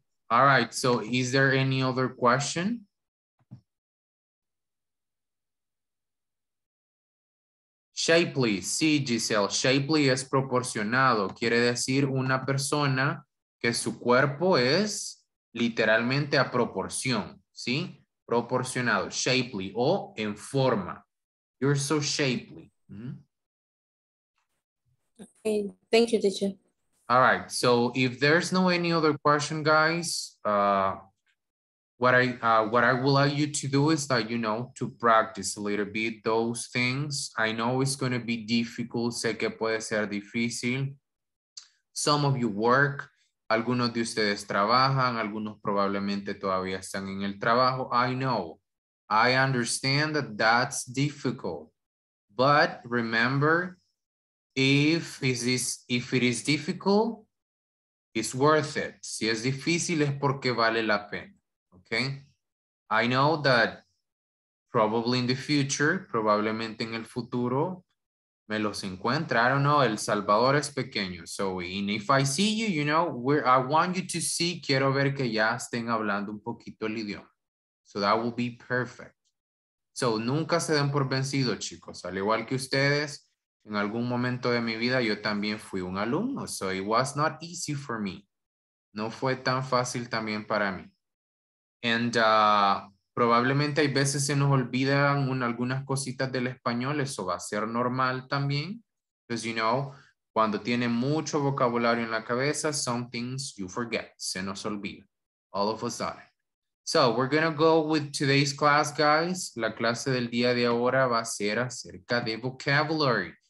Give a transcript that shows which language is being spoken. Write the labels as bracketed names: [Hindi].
[English] All right, so is there any other question? [Spanish] Shapely, sí, Giselle, shapely es proporcionado, quiere decir una persona que su cuerpo es literalmente a proporción, ¿sí? Proporcionado, shapely, o en forma. [English] You're so shapely. [Spanish] Mm-hmm. [English] Okay, thank you, teacher. All right, so if there's no any other question, guys, what I would like you to do is that, you know, to practice a little bit those things. I know it's going to be difficult. [Spanish] Sé que puede ser difícil. [English] Some of you work. [Spanish] Algunos de ustedes trabajan, algunos probablemente todavía están en el trabajo. [English] I know, I understand that that's difficult. But remember, if it is difficult, it's worth it. [Spanish] Si es difícil es porque vale la pena, okay? [English] I know that probably in the future, [Spanish] probablemente en el futuro, me los encuentra. [English] I don't know. [Spanish] El Salvador es pequeño. [English] So, and if I see you, you know, where I want you to see, [Spanish] quiero ver que ya estén hablando un poquito el idioma. [English] So that will be perfect. So [Spanish] nunca se den por vencido, chicos. Al igual que ustedes, en algún momento de mi vida, yo también fui un alumno. [English] So it was not easy for me. [Spanish] No fue tan fácil también para mí. And probablemente hay veces se nos olvidan algunas cositas del español. Eso va a ser normal también. Because, you know, cuando tiene mucho vocabulario en la cabeza, [English] some things you forget. [Spanish] Se nos olvida. [English] All of a sudden. So, we're going to go with today's class, guys. [Spanish] La clase del día de ahora va a ser acerca de vocabulary.